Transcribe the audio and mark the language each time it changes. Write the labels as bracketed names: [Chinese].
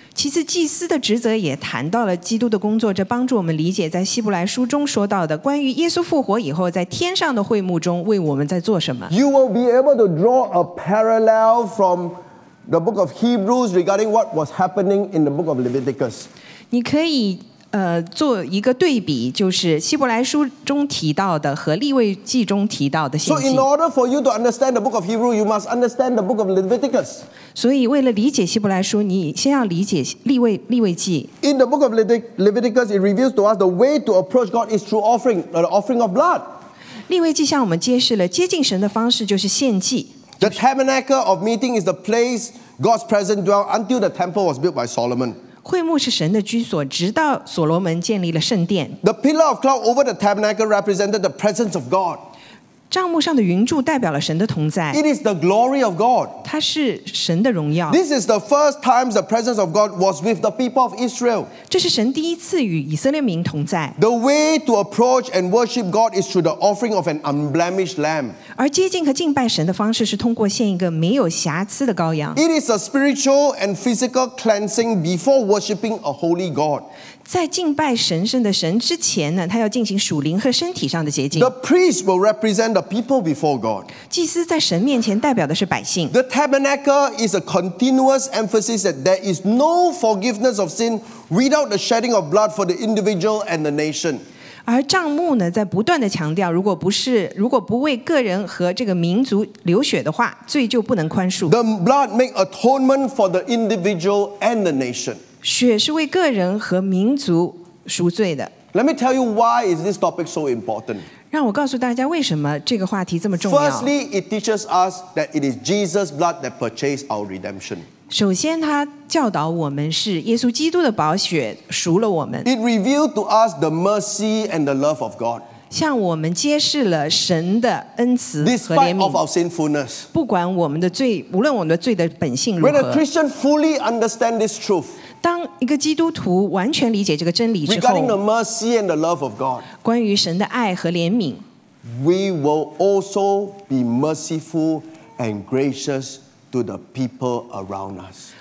[Chinese] 其次祭司的职责也谈到了基督的工作这帮助我们理解在希伯来书中说到的关于耶稣复活以后在天上的会幕中为我们在做什么 [English] You will be able to draw a parallel from the book of Hebrews regarding what was happening in the book of Leviticus [Chinese] 你可以做一个对比就是希伯来书中提到的和立位记中提到的信息 [English] So in order for you to understand the book of Hebrews you must understand the book of Leviticus [Chinese] 所以为了理解希伯来书你先要理解立位记 [English] In the book of Leviticus it reveals to us the way to approach God is through offering the offering of blood [Chinese] 立位记向我们揭示了接近神的方式就是献祭 [English] The tabernacle of meeting is the place God's presence dwelt until the temple was built by Solomon [Chinese] 会幕是神的居所，直到所罗门建立了圣殿。 [English] The pillar of cloud over the tabernacle represented the presence of God. [Chinese] 帐幕上的云柱代表了神的同在。 [English] It is the glory of God. [Chinese] 它是神的荣耀。 [English] This is the first time the presence of God was with the people of Israel. [Chinese] 这是神第一次与以色列民同在。 [English] The way to approach and worship God is through the offering of an unblemished lamb. [Chinese] 而接近和敬拜神的方式是通过献一个没有瑕疵的羔羊。 [English] It is a spiritual and physical cleansing before worshiping a holy God. [Chinese] 在敬拜神圣的神之前呢，他要进行属灵和身体上的洁净。 [English] The priest will represent the people before God. [Chinese] 祭司在神面前代表的是百姓。 [English] The tabernacle is a continuous emphasis that there is no forgiveness of sin without the shedding of blood for the individual and the nation. [Chinese] 而帐幕呢，在不断的强调，如果不为个人和这个民族流血的话，罪就不能宽恕。 [English] The blood makes atonement for the individual and the nation. [Chinese] 血是为个人和民族赎罪的。 [English] Let me tell you why is this topic so important. [Chinese] 让我告诉大家为什么这个话题这么重要。 [English] Firstly, it teaches us that it is Jesus' blood that purchased our redemption. [Chinese] 首先，它教导我们是耶稣基督的宝血赎了我们。 [English] It revealed to us the mercy and the love of God. [Chinese] 向我们揭示了神的恩慈和怜悯。 [English] Despite of our sinfulness. [Chinese] 不管我们的罪，无论我们的罪的本性如何。 [English] When a Christian fully understands this truth. [Chinese] 当一个基督徒完全理解这个真理之后 [English] Regarding the mercy and the love of God, [Chinese] 关于神的爱和怜悯 [English] We will also be merciful and gracious to the people around us.